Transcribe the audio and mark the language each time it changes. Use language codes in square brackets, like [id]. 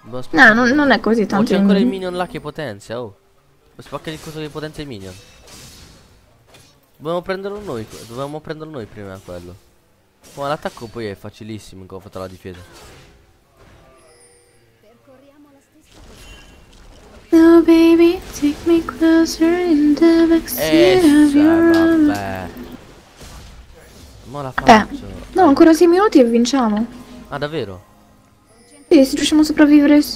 [it] No, non è così tanto. C'è ancora il minion là che potenzia, oh. Spacca il coso che potenzia il minion. Dovevamo prenderlo noi prima quello. Ma l'attacco poi è facilissimo come ho fatto la difesa. Percorriamo la stessa. [en] No baby, take me closer in the backseat of your [it] vabbè. Mo la faccio. No, ancora 6 minuti e vinciamo. Ah davvero? Sì, se riusciamo a sopravvivere.